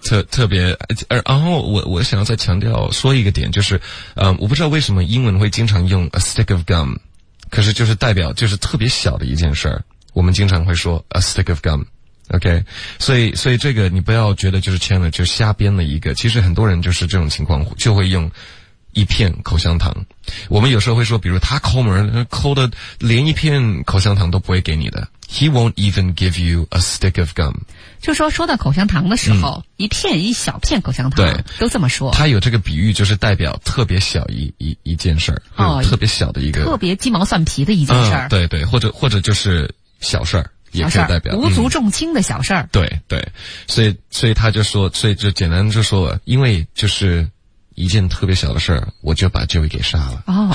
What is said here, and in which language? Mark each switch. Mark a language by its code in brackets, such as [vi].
[zh] 特别然后我想要再强调说一个点，就是我不知道为什么英文会经常用 [en] a stick of gum, [zh] 可是就是代表就是特别小的一件事儿，我们经常会说 a stick of gum。 OK, 所以这个你不要觉得就是 Chandler 就瞎编了一个，其实很多人就是这种情况就会用一片口香糖。我们有时候会说比如他抠门抠的连一片口香糖都不会给你的。 [en] He won't even give you a stick of gum. [zh] 就说到口香糖的时候、一片一小片口香糖对都这么说。他有这个比喻就是代表特别小一件事儿、特别小的一个。特别鸡毛蒜皮的一件事儿、对对，或者就是小事儿。也可以代表无足重轻的小事儿、对对，所以他就说，所以就简单就说，因为就是一件特别小的事儿，我就把 Joey 给杀了。